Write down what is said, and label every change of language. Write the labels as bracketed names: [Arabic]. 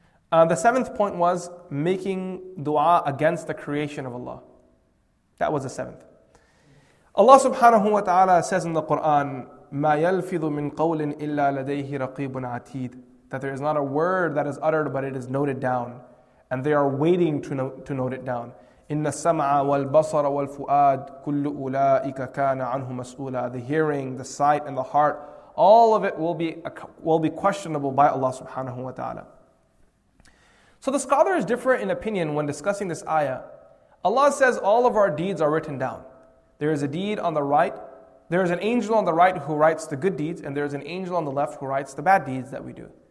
[English] The seventh point was making dua against the creation of Allah. That was the seventh. Allah subhanahu wa ta'ala says in the Quran, [Arabic] مَا يَلْفِذُ مِنْ قَوْلٍ إِلَّا لَدَيْهِ رَقِيبٌ عَتِيدٌ, [English] that there is not a word that is uttered, but it is noted down. And they are waiting to note it down. [Arabic] إِنَّ السَّمْعَ وَالْبَصَرَ وَالْفُؤَادُ كُلُّ أُولَٰئِكَ كَانَ عَنْهُ مَسْئُولًا. [English] The hearing, the sight, and the heart, all of it will be questionable by Allah subhanahu wa ta'ala. So the scholars differ in opinion when discussing this ayah. Allah says all of our deeds are written down. There is a deed on the right. There is an angel on the right who writes the good deeds, and there is an angel on the left who writes the bad deeds that we do.